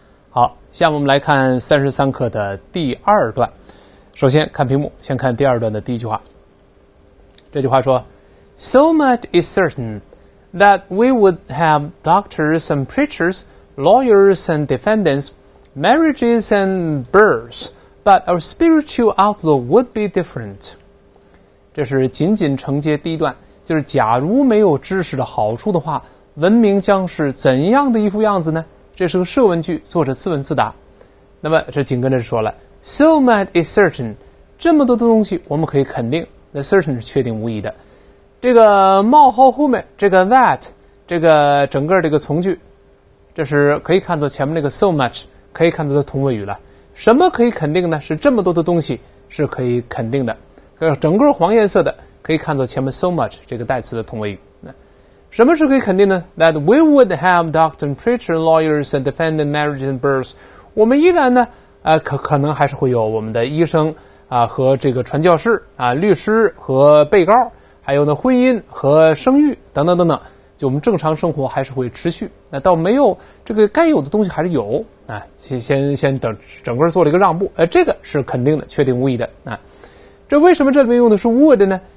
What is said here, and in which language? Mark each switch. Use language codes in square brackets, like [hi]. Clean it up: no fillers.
[zh] 好，下面我们来看33课的第二段。首先看屏幕，先看第二段的第一句话。这句话说 [en] So much is certain that we would have doctors and preachers, lawyers and defendants, marriages and births, but our spiritual outlook would be different. [zh] 这是仅仅承接第一段，就是假如没有知识的好处的话，文明将是怎样的一副样子呢？这是个设问句，作者自问自答。那么这紧跟着说了 [en] So much is certain， [zh] 这么多的东西我们可以肯定， The certain 是确定无疑的。这个冒号后面这个 that， 这个整个这个从句，这是可以看作前面那个 so much 可以看作的同位语了。什么可以肯定呢？是这么多的东西是可以肯定的，整个黄颜色的可以看作前面 so much 这个代词的同位语。什么是可以肯定呢？ [en] That we would have doctor and preacher, lawyers and defendant, marriage and births. [zh] 我们依然呢可能还是会有我们的医生和这个传教士律师和被告，还有呢婚姻和生育等等等等，就我们正常生活还是会持续。那倒没有这个该有的东西还是有先等整个做了一个让步，这个是肯定的，确定无疑的这为什么这里面用的是 would 呢？